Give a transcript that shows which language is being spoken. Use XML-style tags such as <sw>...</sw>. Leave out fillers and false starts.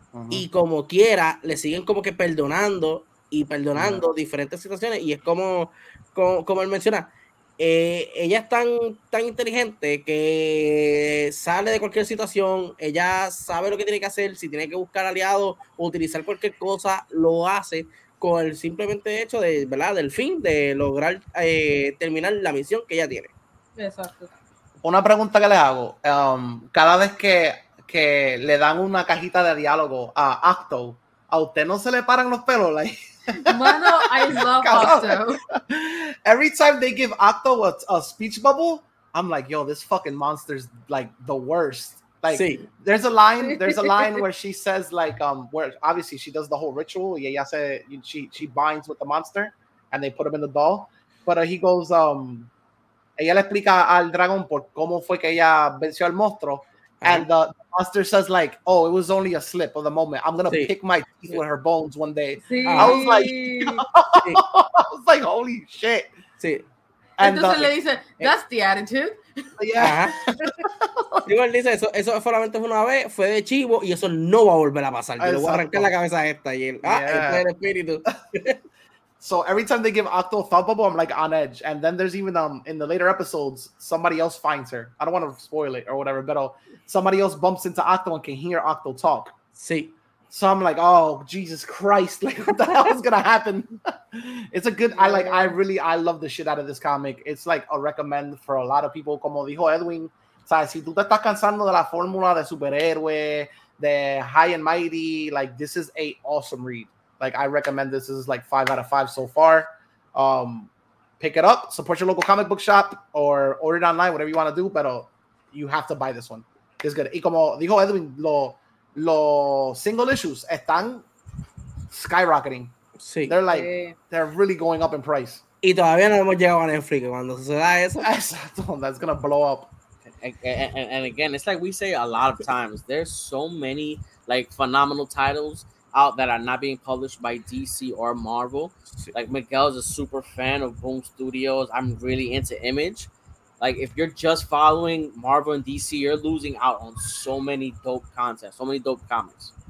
<es>Y como quiera le siguen como que perdonando diferentes situaciones, y es como él menciona, ella es tan inteligente que sale de cualquier situación, ella sabe lo que tiene que hacer, si tiene que buscar aliados, utilizar cualquier cosa, lo hace con el simplemente hecho de, ¿verdad?, del fin de lograr terminar la misión que ella tiene. Exacto. Una pregunta que les hago, cada vez que le dan una cajita de diálogo a Octo, ¿a usted no se le paran los pelos?</es> <en>Mano, I love Octo. Every time they give Octo a speech bubble, I'm like, yo, this fucking monster's like the worst. Like, sí. there's a line where she says, like, where obviously she does the whole ritual.</en> <es>Y ella se,</es> <en>she binds with the monster and they put him in the doll. But he goes,</en> <es>ella le explica al dragón por cómo fue que ella venció al monstruo.</es> <en>And the monster says, like, oh, it was only a slip of the moment. I'm going to pick my teeth with her bones one day.</en> <es>Sí.</es> <en>I was like, holy shit.</en> <es>Sí.</es> <en>And</en> <es>entonces le dice,</es> <en>that's the attitude. Yeah.</en> <es>Y él dice, eso solamente fue una vez, fue de chivo, y eso no va a volver a pasar. Yo le voy a arrancar la cabeza a esta y él, este es el espíritu.</es> <en>So every time they give Octo a thought bubble, I'm like on edge. And then there's even in the later episodes, somebody else finds her. I don't want to spoil it or whatever, but somebody else bumps into Octo and can hear Octo talk.</en> <es>Sí.</es> <en>So I'm like, oh, Jesus Christ. Like, what the hell is going to happen? It's a good, I love the shit out of this comic. It's like a recommend for a lot of people.</en> <es>Como dijo Edwin, ¿sabes? Si tú te estás cansando de la fórmula de superhéroe, de</es> <en>high and mighty, like, this is a awesome read. Like, I recommend this. This is like 5 out of 5 so far. Pick it up. Support your local comic book shop or order it online, whatever you want to do. But you have to buy this one. It's good.</en> <es>Y como dijo Edwin, los single issues están skyrocketing. Sí.</es> <en>They're like, they're really going up in price.</en> <es>Y todavía no hemos llegado a Netflix cuando suceda eso.</es> <en>Exacto. That's going to blow up. And again, it's like we say a lot of times, there's so many like phenomenal titles out that are not being published by DC or Marvel. Like, Miguel is a super fan of Boom Studios. I'm really into Image. Like, if you're just following Marvel and DC, you're losing out on so many dope content, so many dope comics.</en>